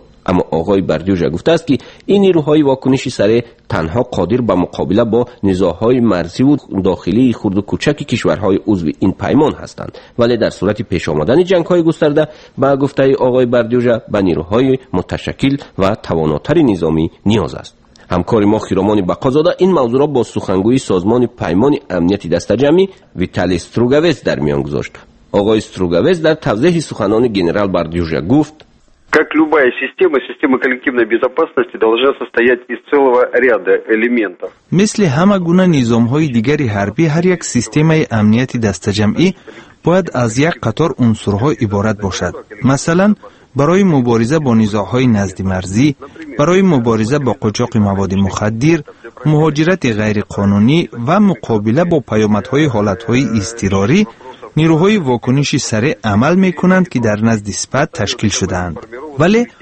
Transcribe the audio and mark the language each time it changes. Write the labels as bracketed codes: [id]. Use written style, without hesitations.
[fa] اما آقای بردیوژا گفته است که این نیروهای واکنش سریع تنها قادر به مقابله با نزاهای مرزی و داخلی خرد و کوچک کشورهای عضو این پیمان هستند، ولی در صورت پیش آمدن جنگ‌های گسترده با گفته آقای بردیوژا به نیروهای متشکل و تواناتر نظامی نیاز است. همکار ما خیرمان بقازاده این موضوع را با سخنگوی سازمان پیمان امنیت دسته جمعی ویتالی استروگاوز در میان گذاشت. آقای استروگاوز در توضیح سخنان ژنرال بردیوژا گفت [ru] Как любая система, система коллективной безопасности должна состоять из целого ряда элементов. [fa] مثل همه گونه نظام‌های دیگر حربی، هر یک سیستم امنیت دسته‌جمعی باید از یک قطار عنصرها عبارت باشد. مثلا برای مبارزه با نزاع‌های نزد مرزی، برای مبارزه با قاچاق مواد مخدر، مهاجرت غیرقانونی و مقابله با پیامدهای حالت‌های اضطراری نیروهای واکنشی سریع عمل می کنند که در نزد سپاه تشکیل شدند. ولی